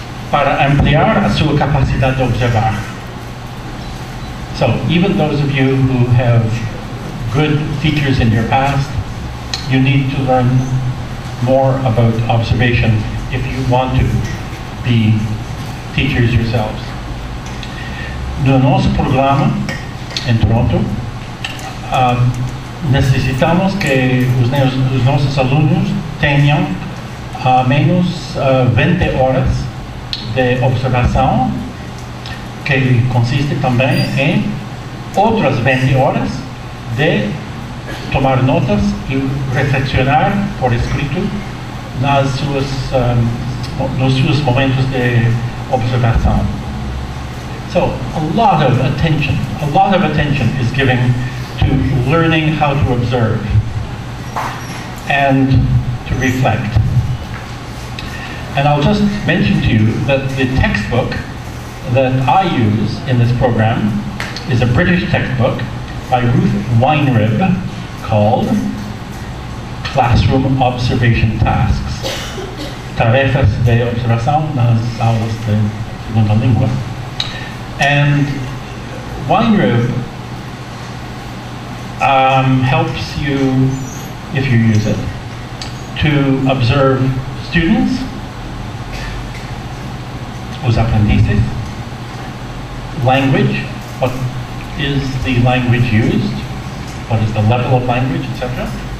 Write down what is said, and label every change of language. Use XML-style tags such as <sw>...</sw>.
<pt>Para ampliar a sua capacidade de observar.</pt> <en>So, even those of you who have good features in your past, you need to learn more about observation if you want to be teachers yourselves.</en> <pt>No nosso programa em Toronto, necessitamos que os nossos alunos tenham a menos 20 horas de observação, que consiste também em outras 20 horas de tomar notas e reflexionar por escrito nas suas, nos seus momentos de observação.</pt> <en>So, a lot of attention is given to learning how to observe and to reflect. And I'll just mention to you that the textbook that I use in this program is a British textbook by Ruth Weinrib called Classroom Observation Tasks.</en> <pt>Tarefas de observação nas aulas de segunda língua.</pt> <en>And Weinrib helps you, if you use it, to observe students,</en> <pt>os aprendizes,</pt> <en>language, what is the language used, what is the level of language, etc.</en>